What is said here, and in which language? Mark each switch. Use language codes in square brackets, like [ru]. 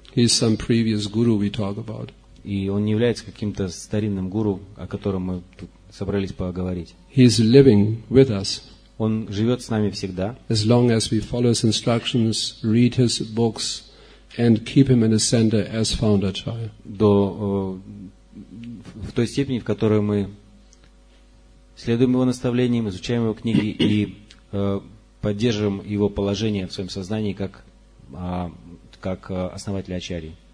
[en] He is some previous guru we talk about. [ru] И он не является каким-то старинным гуру, о котором мы тут собрались поговорить. [en] He is living with us. [ru] Он живет с нами всегда. [en] As long as we follow his instructions, read his books, and keep him in the center as founder acharya. [ru] До в той степени, в которой мы следуем его наставлениям, изучаем его книги и поддерживаем его положение в своем сознании как основатель ачарьи.